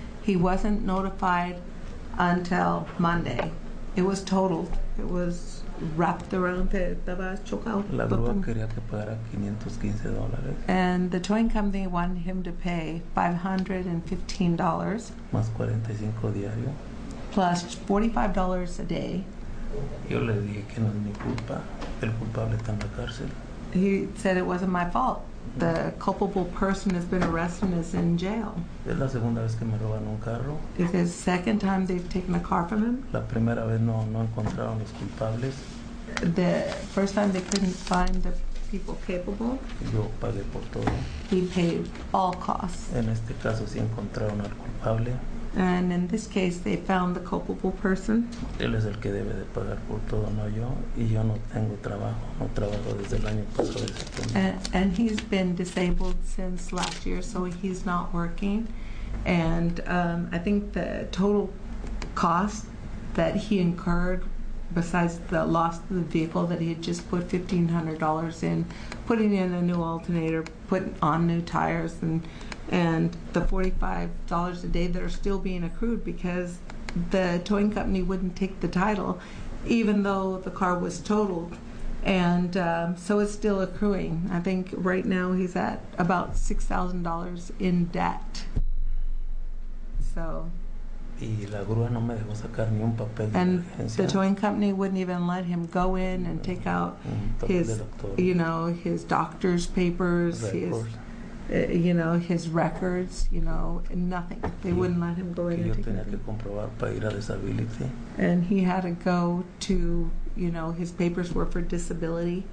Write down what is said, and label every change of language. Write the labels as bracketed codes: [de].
[en] He wasn't notified until Monday. It was totaled. It was wrapped around. [es] Estaba chocado. La grúa quería que pagara $515. [en] And the towing company wanted him to pay $515. [es] Más 45 diario. [en] Plus $45 a day. [es] Yo le dije que no es mi culpa. El culpable está en la cárcel. [en] He said it wasn't my fault. The culpable person has been arrested and is in jail. [es] Es la segunda vez que me roban un carro. [en] It's the second time they've taken a car from him. [es] La primera vez no encontraron los culpables. [en] The first time they couldn't find the people capable. [es] Yo pagué por todo. [en] He paid all costs. [es] En este caso sí encontraron al culpable. [en] And in this case, they found the culpable person. [es] Él es el que debe de pagar por todo, no yo. Y yo no tengo trabajo. No trabajo desde el año pasado. [en] And he's been disabled since last year, so he's not working. And I think the total cost that he incurred, besides the loss of the vehicle that he had just put $1,500 in, putting in a new alternator, putting on new tires, and the $45 a day that are still being accrued because the towing company wouldn't take the title, even though the car was totaled. And so it's still accruing. I think right now he's at about $6,000 in debt. So... [es] Y la grúa no me dejó sacar ni un papel [en] and [es] de emergencia. [en] The towing company wouldn't even let him go in and take out his, you know, his doctor's papers, his records, you know, nothing. They wouldn't let him go in. [es] Yo tenía que comprobar para ir a disability. [en] And he had to go to, you know, his papers were for disability.